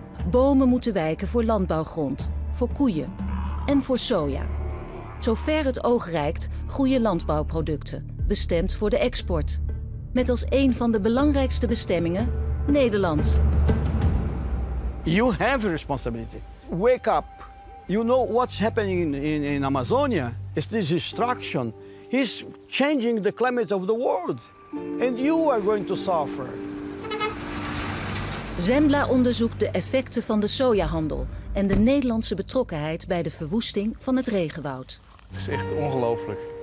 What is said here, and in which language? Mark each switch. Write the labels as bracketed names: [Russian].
[Dutch] Bomen moeten wijken voor landbouwgrond, voor koeien en voor soja. Zover het oog reikt, groeien landbouwproducten, bestemd voor de export. Met als een van de belangrijkste bestemmingen Nederland. [English] You have a responsibility. Wake up. You know what's happening in Amazonia? It's this destruction. It's changing the climate of the world. And you are going to suffer. [Dutch] Zembla onderzoekt de effecten van de sojahandel en de Nederlandse betrokkenheid bij de verwoesting van het regenwoud. Het is echt ongelooflijk.